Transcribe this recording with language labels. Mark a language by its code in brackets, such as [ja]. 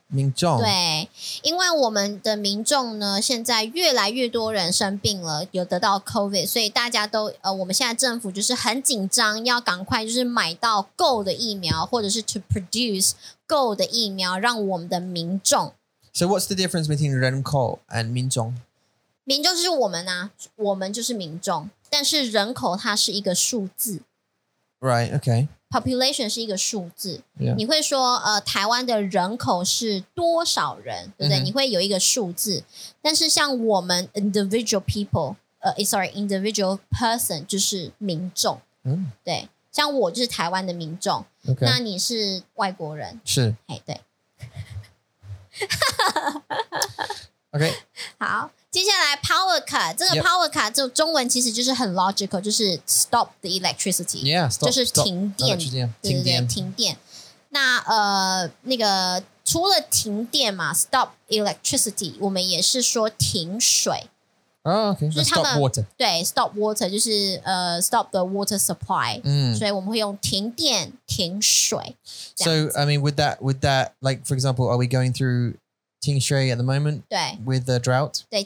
[zh] 民众对，因为我们的民众呢，现在越来越多人生病了，有得到COVID，所以大家都，我们现在政府就是很紧张，要赶快就是买到够的疫苗，或者是 [en] to produce [zh] 够的疫苗，让我们的民众。 [en] So what's the difference between 人口 and 民众？ [zh] 民众是我们啊，我们就是民众，但是人口它是一个数字。 [en] Right, okay. [zh] Population 是一个数字， yeah. 你会说 台湾的人口是多少人， 对不对？ Mm-hmm. 你会有一个数字， 但是像我们 [en] individual people, individual person [zh] 就是民众， mm. 对， 像我就是台湾的民众， [en] okay. [zh] 那你是外国人，是，嘿， 对。 [en] Okay. [zh] 好， 接下来 power cut， 这个 power cut 就中文其实就是很 logical， 就是 [en] stop the electricity， yeah, stop, [zh] 就是停电。那个除了停电嘛， [en] stop electricity， [zh] 我们也是说停水。 [en] Oh, okay, stop water. 对， stop water 就是 stop the water supply. [zh] 所以我们会用停电停水。 [en] So I mean, would that like for example, are we going through Tingshui at the moment with the drought?